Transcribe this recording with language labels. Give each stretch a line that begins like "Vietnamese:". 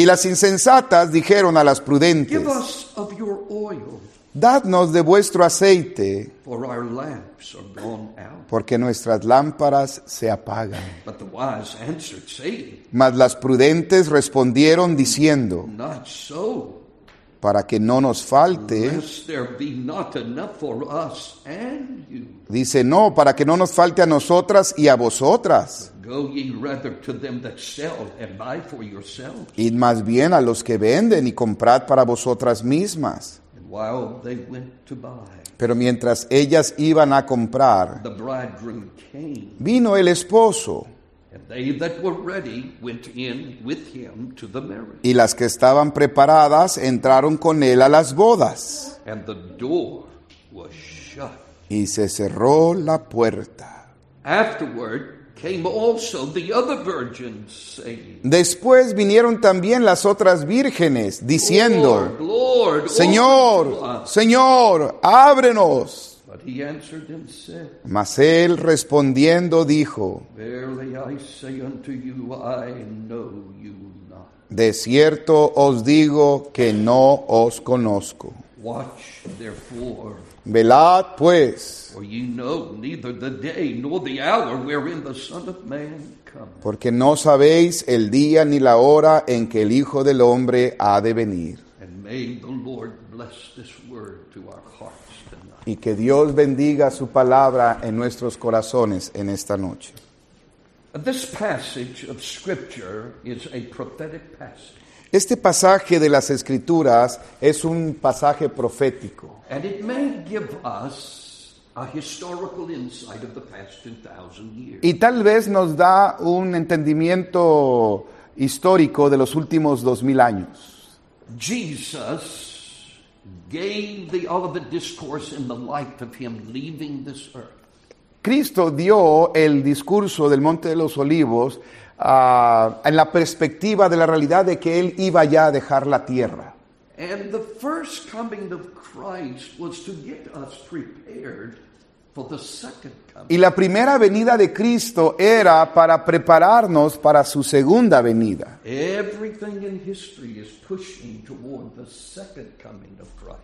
Spanish: y las insensatas dijeron a las prudentes,
English: give us of your oil,
Spanish: dadnos de vuestro aceite,
English: for our lamps are gone out,
Spanish: porque nuestras lámparas se apagan.
English: But the wise answered, saying,
Spanish: mas las prudentes respondieron diciendo,
English: not so,
Spanish: para que no nos falte,
English: lest there be not enough for us and you.
Spanish: Dice, no, para que no nos falte a nosotras y a vosotras.
English: Go ye rather to them that sell and buy for yourselves.
Spanish: Id más bien a los que venden y comprad para vosotras mismas.
English: And while they went to buy,
Spanish: pero mientras ellas iban a comprar,
English: the bridegroom came,
Spanish: vino el esposo.
English: And they that were ready went in with him to the marriage.
Spanish: Y las que estaban preparadas entraron con él a las bodas.
English: And the door was shut.
Spanish: Y se cerró la puerta.
English: Afterward came also the other virgins, saying,
Spanish: después vinieron también las otras vírgenes, diciendo,
English: Lord, Lord,
Spanish: Señor, Señor, ábrenos.
English: But he answered and said,
Spanish: mas él respondiendo dijo,
English: verily I say unto you, I know you not.
Spanish: De cierto os digo que no os conozco.
English: Watch therefore.
Spanish: Velad pues,
English: for you know neither the day nor the hour wherein the Son of Man cometh.
Spanish: Porque no sabéis el día ni la hora en que el Hijo del Hombre ha de venir.
English: And may the Lord bless this word to our hearts tonight.
Spanish: Y que Dios bendiga su palabra en nuestros corazones en esta noche.
English: This passage of Scripture is a prophetic passage.
Spanish: Este pasaje de las Escrituras es un pasaje profético.
English: And it may give us a historical insight of the past 2,000 years.
Spanish: Y tal vez nos da un entendimiento histórico de los últimos 2,000 años.
English: Jesus gave the Olivet discourse in the light of him leaving this earth.
Spanish: Cristo dio el discurso del Monte de los Olivos en la perspectiva de la realidad de que él iba ya a dejar la tierra.
English: And the first coming of Christ was to get us prepared for the second coming.
Spanish: Y la primera venida de Cristo era para prepararnos para su segunda venida.
English: Everything in history is pushing toward the second coming of Christ.